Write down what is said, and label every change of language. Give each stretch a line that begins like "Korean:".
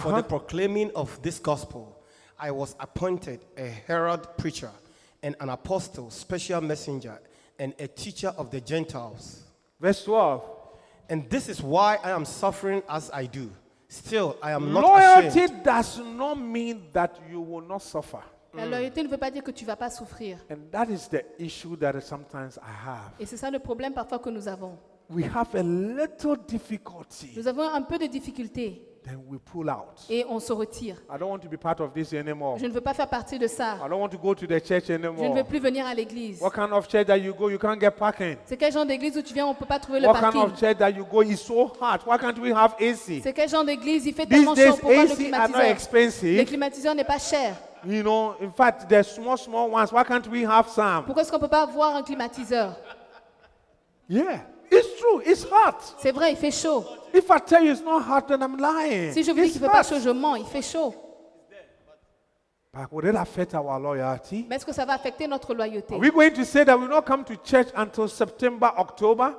English: For the proclaiming of this gospel, I was appointed a herald preacher and an apostle, special messenger, and a teacher of the Gentiles. Verse 12. And this is why I am suffering as I do. Still, I am not ashamed. Loyalty does not mean that you will not suffer.
French: La loyauté ne veut pas dire que tu ne vas pas souffrir.
English: And that is the issue that sometimes I have.
French: Et c'est ça le problème parfois que nous avons.
English: We have a little difficulty.
French: Nous avons un peu de difficulté.
English: Then we pull out.
French: Et on se retire.
English: I don't want to be part of this anymore.
French: Je ne veux pas faire partie de ça.
English: I don't want to go to the church anymore.
French: Je ne veux plus venir à l'église.
English: What kind of church that you go, you can't get parking.
French: C'est quel genre d'église où tu viens, on peut pas trouver
English: what
French: le parking.
English: What kind of church that you go is so hot. Why can't we have AC?
French: C'est quel genre d'église il fait tellement chaud, pourquoi
English: AC
French: le climatiseur?
English: Are not expensive.
French: Le climatiseur n'est pas cher.
English: You know, in fact, there's small ones. Why can't we have some?
French: Pourquoi est-ce qu'on peut pas avoir un climatiseur?
English: Yeah. It's true. It's hot.
French: C'est vrai, il fait chaud.
English: If I tell you it's not hot, then I'm lying.
French: Si je vous dis qu'il fait pas chaud, je mens. Il fait chaud.
English: But would it affect our loyalty?
French: Mais est-ce que ça va affecter notre loyauté?
English: Are we going to say that we will not come to church until September, October?